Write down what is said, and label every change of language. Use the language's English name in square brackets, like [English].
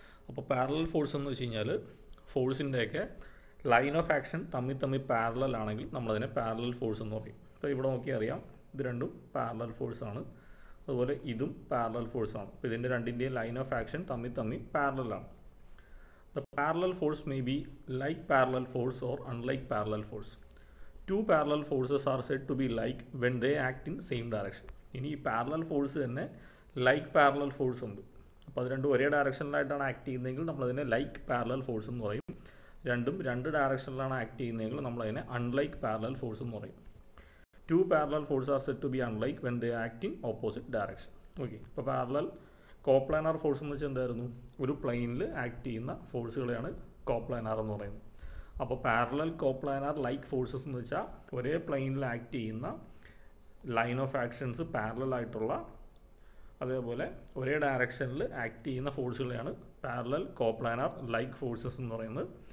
[Malayalam] അപ്പോൾ parallel force എന്ന് വെച്ച് കഴിഞ്ഞാൽ ഫോഴ്സിൻ്റെയൊക്കെ ലൈൻ ഓഫ് ആക്ഷൻ തമ്മിൽ തമ്മിൽ പാരലൽ ആണെങ്കിൽ നമ്മളതിനെ പാരലൽ ഫോഴ്സ് എന്ന് പറയും. അപ്പോൾ ഇവിടെ നോക്കി അറിയാം, ഇത് രണ്ടും പാരലൽ ഫോഴ്സാണ്, അതുപോലെ ഇതും പാരലൽ ഫോഴ്സാണ്. അപ്പോൾ ഇതിൻ്റെ രണ്ടിൻ്റെയും ലൈൻ ഓഫ് ആക്ഷൻ തമ്മിൽ തമ്മിൽ പാരലൽ ആണ്. [English] The parallel force may be like parallel force or unlike parallel force. Two parallel forces are said to be like when they act in same direction. [Malayalam] ഇനി ഈ parallel force തന്നെ like parallel force ഉണ്ട്. അപ്പോൾ അത് രണ്ടും ഒരേ ഡയറക്ഷനിലായിട്ടാണ് act ചെയ്യുന്നതെങ്കിൽ നമ്മളതിനെ ലൈക്ക് പാരലൽ ഫോഴ്സ് എന്ന് പറയും. രണ്ടും രണ്ട് ഡയറക്ഷനിലാണ് ആക്ട് ചെയ്യുന്നതെങ്കിൽ നമ്മളതിനെ അൺലൈക്ക് പാരലൽ ഫോഴ്സ് എന്ന് പറയും. [English] Two parallel forces are said to be unlike when they act in opposite direction. [Malayalam] Okay, അപ്പോൾ parallel കോപ്ലാനാർ ഫോഴ്സ് എന്ന് വെച്ചാൽ എന്തായിരുന്നു? ഒരു പ്ലെയിനിൽ ആക്ട് ചെയ്യുന്ന ഫോഴ്സുകളെയാണ് കോപ്ലാനാർ എന്ന് പറയുന്നത്. അപ്പോൾ പാരലൽ കോപ്ലാനാർ ലൈക്ക് ഫോഴ്സസ് എന്ന് വെച്ചാൽ ഒരേ പ്ലെയിനിൽ ആക്ട് ചെയ്യുന്ന ലൈൻ ഓഫ് ആക്ഷൻസ് പാരലൽ ആയിട്ടുള്ള, അതേപോലെ ഒരേ ഡയറക്ഷനിൽ ആക്ട് ചെയ്യുന്ന ഫോഴ്സുകളെയാണ് പാരലൽ കോപ്ലാനാർ ലൈക്ക് ഫോഴ്സസ് എന്ന് പറയുന്നത്.